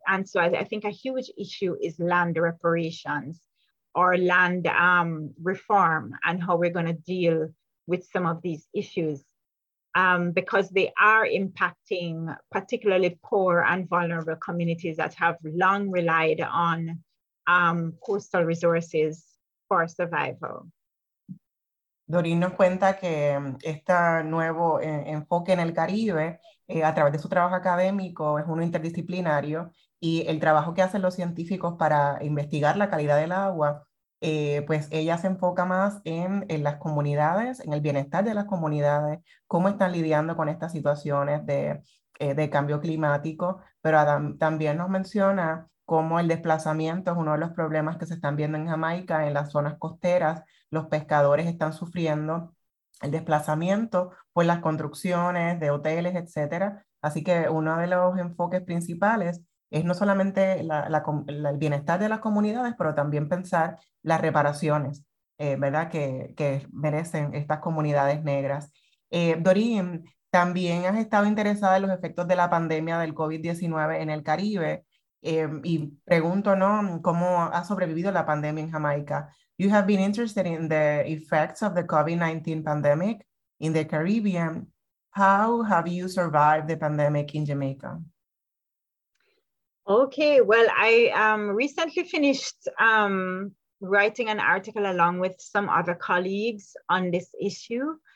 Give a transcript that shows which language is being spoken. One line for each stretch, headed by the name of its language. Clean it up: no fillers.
English: And so I think a huge issue is land reparations or land reform and how we're gonna deal with some of these issues, because they are impacting particularly poor and vulnerable communities that have long relied on coastal resources for survival.
Spanish: Doreen nos cuenta que este nuevo enfoque en el Caribe, a través de su trabajo académico, es uno interdisciplinario, y el trabajo que hacen los científicos para investigar la calidad del agua, pues ella se enfoca más en las comunidades, en el bienestar de las comunidades, cómo están lidiando con estas situaciones de cambio climático, pero Adam también nos menciona cómo el desplazamiento es uno de los problemas que se están viendo en Jamaica, en las zonas costeras. Los pescadores están sufriendo el desplazamiento por las construcciones de hoteles, etc. Así que uno de los enfoques principales es no solamente el bienestar de las comunidades, pero también pensar las reparaciones, ¿verdad? Que merecen estas comunidades negras. Doreen, también has estado interesada en los efectos de la pandemia del COVID-19 en el Caribe. Y pregunto, ¿no? ¿Cómo ha sobrevivido la pandemia en Jamaica?
English: You have been interested in the effects of the COVID-19 pandemic in the Caribbean. How have you survived the pandemic in Jamaica? Okay, well, I recently finished writing an article along with some other colleagues on this issue.